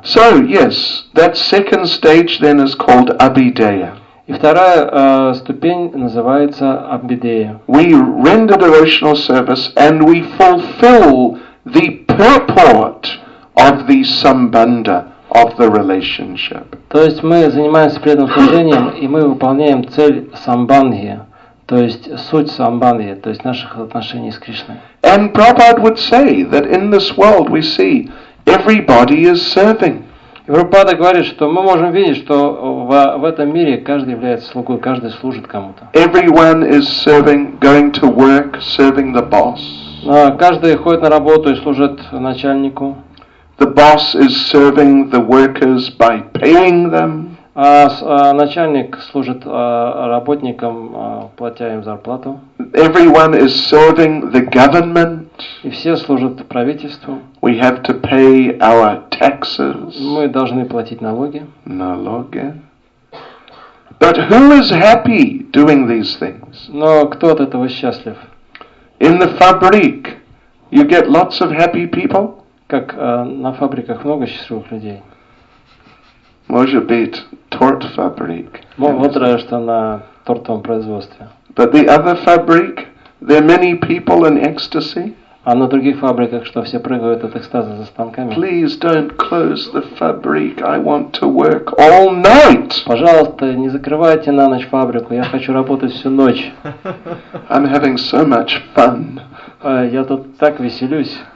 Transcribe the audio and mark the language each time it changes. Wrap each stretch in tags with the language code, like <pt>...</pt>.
<en>So, yes, that second stage then is called Abhideya.</en> <ru>И вторая ступень называется Abhideya.</ru> <en>We render devotional service and we fulfill the purport of the sambandha of the relationship.</en> <ru>То есть мы занимаемся преданным служением и мы выполняем цель самбанги. То есть суть самбанги, то есть наших отношений с Кришной.</ru> <en>And Prabhupada would say that in this world we see everybody is serving.</en> <ru>И Прабхупада говорит, что мы можем видеть, что в этом мире каждый является слугой, каждый служит кому-то.</ru> <en>Everyone is serving, going to work, serving the boss.</en> <ru>Каждый ходит на работу и служит начальнику.</ru> <en>The boss is serving the workers by paying them.</en> <ru>А начальник служит работникам, платя им зарплату.</ru> <en>Everyone is serving the government.</en> <ru>И все служат правительству.</ru> <en>We have to pay our taxes.</en> <ru>Мы должны платить налоги. Налоги.</ru> <en>But who is happy doing these things?</en> <ru>Но кто от этого счастлив?</ru> <en>In the fabric, you get lots of happy people.</en> <ru>Как на фабриках много счастливых людей. Может быть, торт фабрик. Возможно, что на тортовом производстве.</ru> <en>But the other fabric, there are many people in ecstasy.</en> <ru>А на других фабриках, что все прыгают от экстаза за станками.</ru> <en>Please don't close the fabric. I want to work all night.</en> <ru>Пожалуйста, не закрывайте на ночь фабрику. Я хочу работать всю ночь.</ru> <en>I'm having so much fun.</en> <ru>Я тут так веселюсь.</ru>